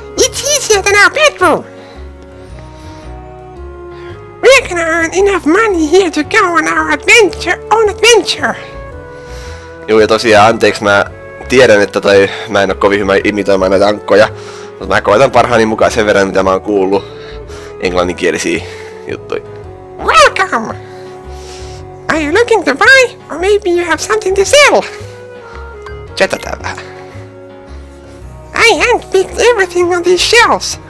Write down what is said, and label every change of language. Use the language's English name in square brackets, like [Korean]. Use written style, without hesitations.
[English] It's easier than our bedroom. We can earn enough money here to go on our own adventure. [Finnish] Joo, ja tosiaan, anteeksi, mä tiedän, että toi, mä en oo kovin hyvä imitoimaan näitä ankkoja. Mutta mä koitan parhaani mukaan sen verran, mitä mä oon kuullut englanninkielisiä juttuja. [English] Welcome! Are you looking to buy? Or maybe you have something to sell? [Finnish] Chatataan vähän. [English] I handpicked everything on these shelves.